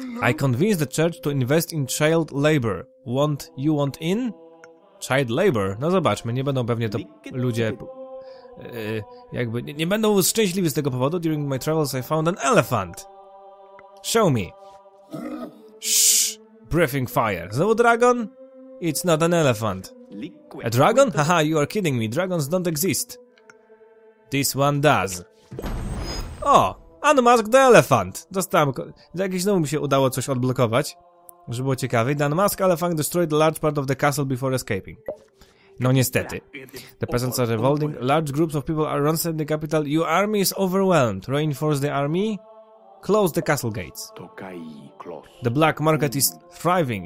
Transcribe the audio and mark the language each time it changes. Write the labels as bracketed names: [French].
[English] I convinced the church to invest in child labor. You want in? Child labor? [Polish] No zobaczmy, nie będą pewnie to ludzie... jakby nie będą szczęśliwi z tego powodu. [English] During my travels I found an elephant. Show me. Shh. Breathing fire. [Polish] Znowu dragon? [English] It's not an elephant. A dragon? Haha, you are kidding me. Dragons don't exist. This one does. O! Unmask the elephant. [Polish] Dostałem... Jakieś znowu mi się udało coś odblokować. Żeby było ciekawie. [English] The unmask elephant destroyed large part of the castle before escaping. [Polish] No niestety. [English] The peasants are revolting. Large groups of people are ransacking the capital. Your army is overwhelmed. Reinforce the army. Close the castle gates. The black market is thriving.